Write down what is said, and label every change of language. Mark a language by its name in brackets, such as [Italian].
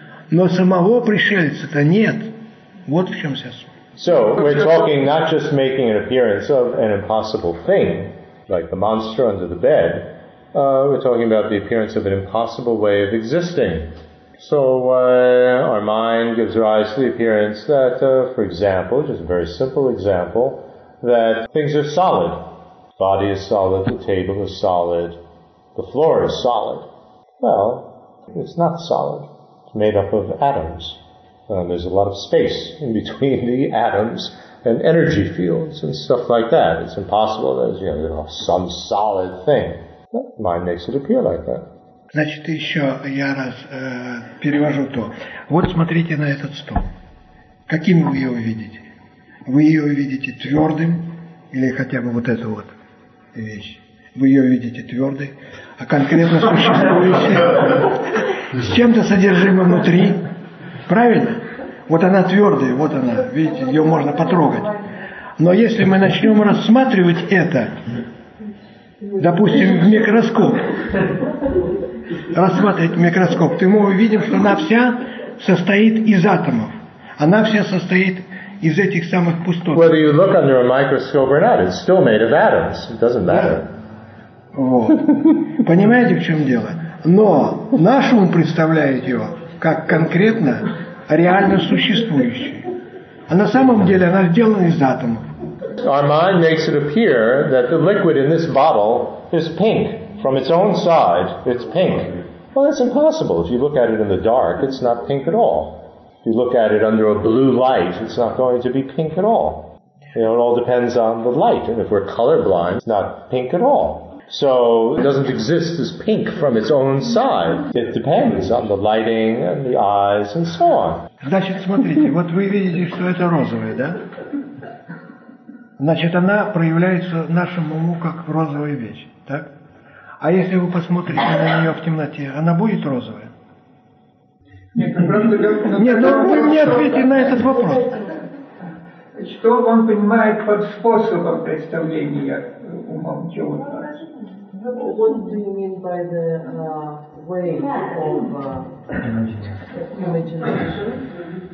[Russian] Но самого пришельца-то нет. Вот в чем вся суть. [English] So, we're talking not just making an appearance of an impossible thing, like the monster under the bed, we're talking about the appearance of an impossible way of existing. So our mind gives rise to the appearance that, for example, just a very simple example, that things are solid. The body is solid, the table is solid, the floor is solid. Well, it's not solid. It's made up of atoms. There's a lot of space in between the atoms and energy fields and stuff like that. It's impossible that there's, some solid thing. But the mind makes it appear like that. [Russian] Значит, еще я раз перевожу то. Вот смотрите на этот стол. Каким вы его видите? Вы его видите твердым? Или хотя бы вот эту вот вещь? Вы ее видите твердой? А конкретно существующей? С чем-то содержимое внутри? Правильно? Вот она твердая, вот она. Видите, ее можно потрогать. Но если мы начнем рассматривать это, допустим, в микроскоп... Рассматривать микроскоп, то мы увидим, что она вся состоит из атомов. Она вся состоит из этих самых пустот. [English] Whether you look under a microscope or not, it's still made of atoms. It doesn't matter. [Russian] Да. Вот. Понимаете, в чем дело? Но наш ум представляет ее как... как конкретно реально существующие. А на самом деле она сделана из атомов. [English] Our mind makes it appear that the liquid in this bottle is pink. From its own side, it's pink. Well, that's impossible. If you look at it in the dark, it's not pink at all. If you look at it under a blue light, it's not going to be pink at all. You know, it all depends on the light. And if we're colorblind, it's not pink at all. So it doesn't exist as pink from its own side. It depends on the lighting and the eyes and so on. [Russian] Значит, смотрите, вот вы видите, что это розовое, да? Значит, она проявляется нашему уму как розовая вещь, так? А если вы посмотрите на нее в темноте, она будет розовая? Нет, ну вы мне ответьте на этот вопрос. Что он понимает под способом представления умом чего-то? [English] What do you mean by the way of imagination?